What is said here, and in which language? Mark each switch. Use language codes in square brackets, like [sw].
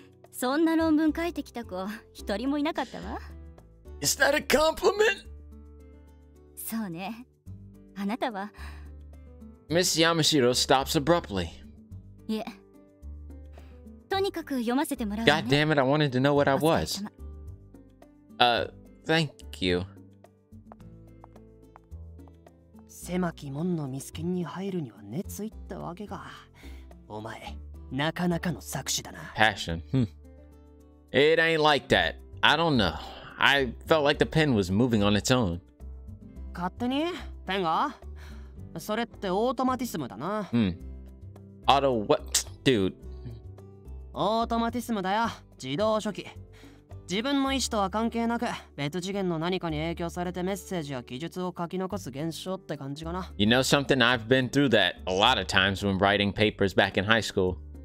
[ja] そんな論文書いてきた子、一人もいなかったわ。 [en] Is that a compliment? [ja] そうね。あなたは… [en] Miss Yamashiro stops abruptly. Yeah. [ja] とにかく読ませてもらうね。 [en] God damn it, I wanted to know what I was. Thank you. [ja] 狭き門の見つけに入るには熱いったわけが。お前、なかなかの作詞だな。 [en] Passion. It ain't like that. I don't know. I felt like the pen was moving on its own. [ja] 勝手に？ペンが？それってオートマティスムだな。うん。あと、 [en] what? Dude。 [ja] オートマティスムだよ。自動初期。自分の意思とは関係なく、別次元の何かに影響されてメッセージや記述を書き残す現象って感じかな。 [en] You know something? I've been through that a lot of times when writing papers back in high school.